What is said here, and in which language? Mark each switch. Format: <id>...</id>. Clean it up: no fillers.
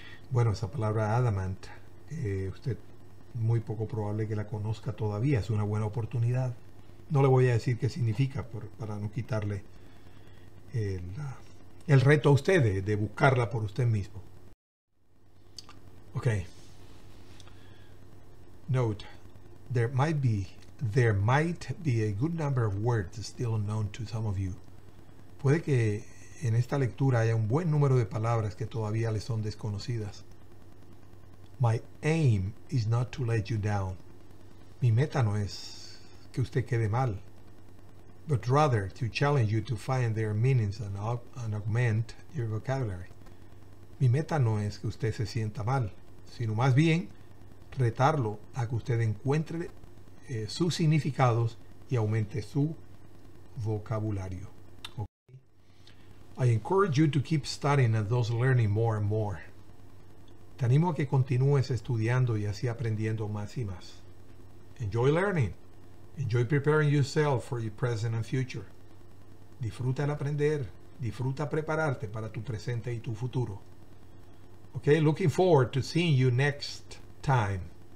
<es>Bueno, esa palabra adamant, usted muy poco probable que la conozca todavía, es una buena oportunidad. No le voy a decir qué significa para no quitarle el reto a usted de buscarla por usted mismo.</es> <en>Okay. Note, there might be a good number of words still unknown to some of you.</en> <es>Puede que en esta lectura haya un buen número de palabras que todavía le son desconocidas.</es> <en>My aim is not to let you down.</en> <es>Mi meta no es que usted quede mal,</es> <en>but rather to challenge you to find their meanings and augment your vocabulary.</en> <es>Mi meta no es que usted se sienta mal, sino más bien retarlo a que usted encuentre sus significados y aumente su vocabulario.</es> <en>Okay. I encourage you to keep studying and thus learning more and more.</en> <es>Te animo a que continúes estudiando y así aprendiendo más y más.</es> <en>Enjoy learning. Enjoy preparing yourself for your present and future.</en> <es>Disfruta el aprender. Disfruta prepararte para tu presente y tu futuro.</es> <en>Okay, looking forward to seeing you next time.</en>